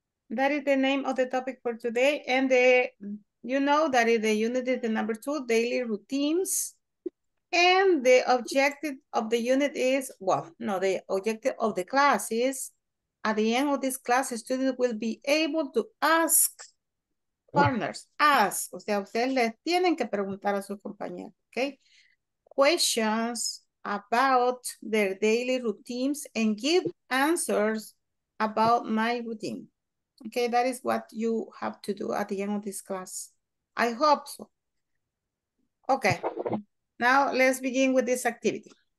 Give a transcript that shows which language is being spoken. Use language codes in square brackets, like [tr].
[en] That is the name of the topic for today and the... You know that the unit is the number two, daily routines. And the objective of the unit is, well, no, the objective of the class is at the end of this class, students will be able to ask partners, ask. [es] O sea, ustedes les tienen que preguntar a sus compañeros, okay? [en] Questions about their daily routines and give answers about my routine. Okay, that is what you have to do at the end of this class. I hope so. Okay, now let's begin with this activity.